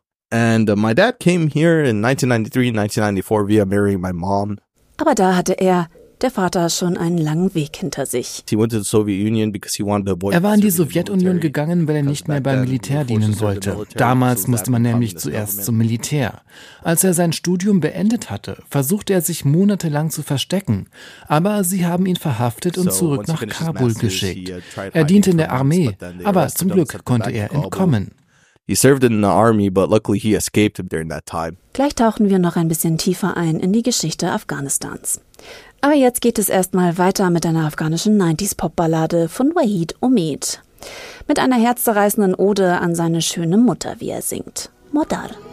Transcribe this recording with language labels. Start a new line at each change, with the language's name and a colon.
English: And my dad came here in 1993, 1994 via marrying my mom.
German: Aber da hatte er, der Vater, schon einen langen Weg hinter sich. Er war in die Sowjetunion gegangen, weil er nicht mehr beim Militär dienen wollte. Damals musste man nämlich zuerst zum Militär. Als er sein Studium beendet hatte, versuchte er sich monatelang zu verstecken. Aber sie haben ihn verhaftet und zurück nach Kabul geschickt. Er diente in der Armee, aber zum Glück konnte er entkommen.
English: He served in the army, but luckily he escaped during that time.
German: Gleich tauchen wir noch ein bisschen tiefer ein in die Geschichte Afghanistans. Aber jetzt geht es erstmal weiter mit einer afghanischen 90s-Pop-Ballade von Waheed Omid. Mit einer herzzerreißenden Ode an seine schöne Mutter, wie er singt. Modar.